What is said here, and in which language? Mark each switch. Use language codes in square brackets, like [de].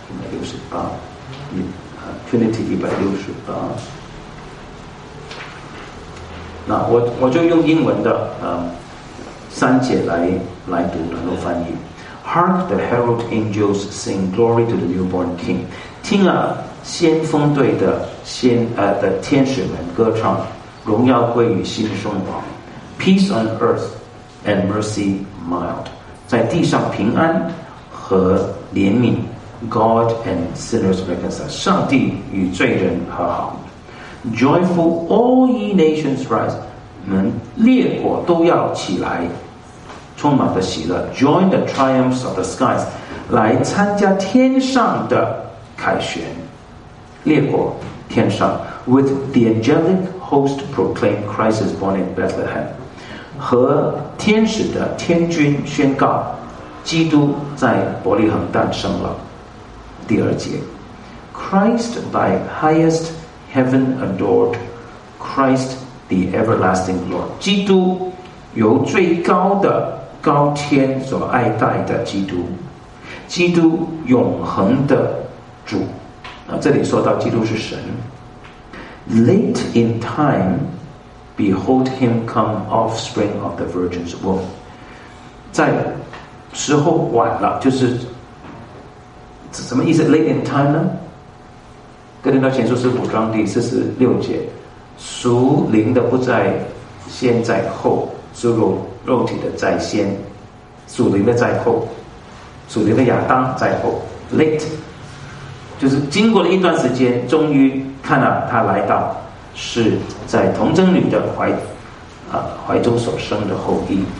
[zh] 168 Trinity 168，那我就用英文的三节来读，然后翻译。 [en] Hark the herald angels sing glory to the newborn king， [zh] 听啊先锋队的的天使们歌唱，荣耀归于新生王。 [en] Peace on earth and mercy mild， [zh] 在地上平安和怜悯。 [en] God and sinners reconciled， [zh] 上帝与罪人和好。 [en] Joyful all ye nations rise， [zh] 们列国都要起来，充满的喜乐。 [en] Join the triumphs of the skies， [zh] 来参加天上的凯旋。列国天上 [en] With the angelic host proclaim Christ is born in Bethlehem， [zh] 和天使的天军宣告基督在伯利恒诞生了。第二节， [en] Christ by highest heaven adored， Christ the everlasting Lord， [zh] 基督由最高的高天所爱戴的基督，基督永恒的主。这里说到基督是神。 [en] Late in time behold him come offspring of the virgin's womb， [zh] 在时候晚了，就是什么意思？ [en] Late in time 呢？ [zh] 哥林多前书15章第46节，属灵的不在先在后，属肉体的在先，属灵的在后，属灵的亚当在后。 Late 就是经过了一段时间，终于看到他来到，是在童贞女的怀中所生的后裔。